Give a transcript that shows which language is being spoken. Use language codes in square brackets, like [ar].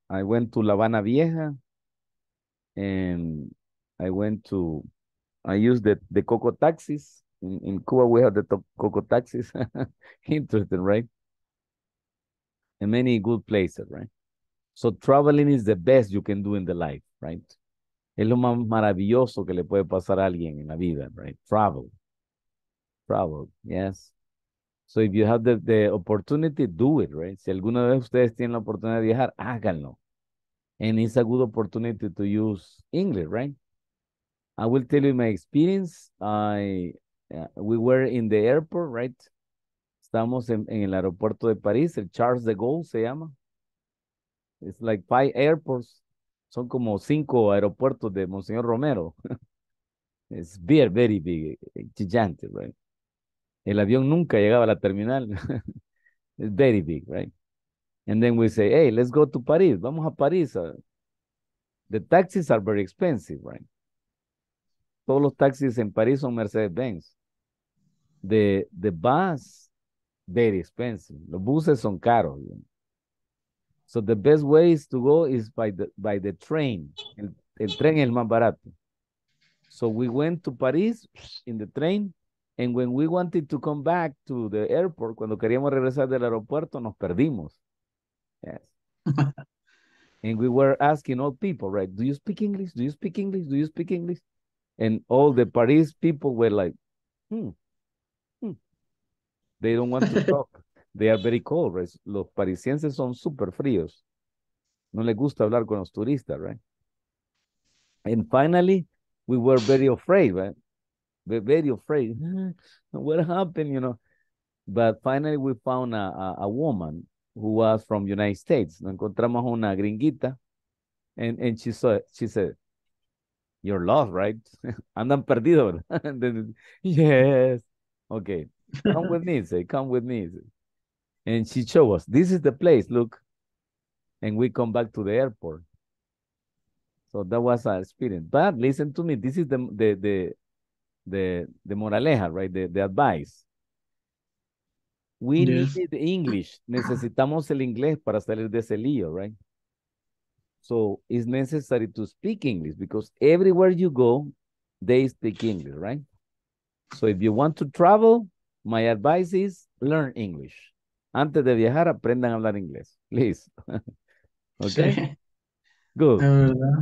[en] I went to La Habana Vieja, and I used the Coco taxis. In Cuba, we have the Coco taxis. Interesting, right? And many good places, right? So traveling is the best you can do in the life, right? [es] Es lo más maravilloso que le puede pasar a alguien en la vida, right? [en] Travel, yes. So if you have the opportunity, do it, right? [es] Si alguna vez ustedes tienen la oportunidad de viajar, háganlo. [en] And it's a good opportunity to use English, right? I will tell you my experience. We were in the airport, right? [es] Estamos en el aeropuerto de París, el Charles de Gaulle se llama. [en] It's like 5 airports. [es] Son como 5 aeropuertos de Monseñor Romero. [en] It's very, very big, gigantic, right? [es] El avión nunca llegaba a la terminal. [en] It's very big, right? And then we say, hey, let's go to Paris. [es] Vamos a Paris. [en] The taxis are very expensive, right? [es] Todos los taxis en París son Mercedes-Benz. [en] The bus, very expensive. [es] Los buses son caros, [en] you know? So the best way is to go is by the train. [es] El tren es el más barato. [en] So we went to Paris in the train. And when we wanted to come back to the airport, [es] cuando queríamos regresar del aeropuerto, nos perdimos. [en] Yes. And we were asking all people, right? Do you speak English? Do you speak English? Do you speak English? And all the Paris people were like, They don't want to talk. They are very cold, right? [es] Los parisienses son super fríos. No les gusta hablar con los turistas, right? [en] And finally, we were very afraid, right? We're very afraid. What happened, you know? But finally, we found a woman who was from the United States. [es] Nos encontramos una gringuita. [en] And she said, you're lost, right? [es] Andan perdidos. [en] And then, yes. Okay. Come with me. And she showed us, this is the place, look. And we come back to the airport. So that was our experience. But listen to me, this is the moraleja, right? The advice. We need English. [es] Necesitamos el inglés para salir de ese lío, right? [en] So it's necessary to speak English because everywhere you go, they speak English, right? So if you want to travel, my advice is learn English. [es] Antes de viajar, aprendan a hablar inglés. [en] Please. Okay. [es] Sí. Good.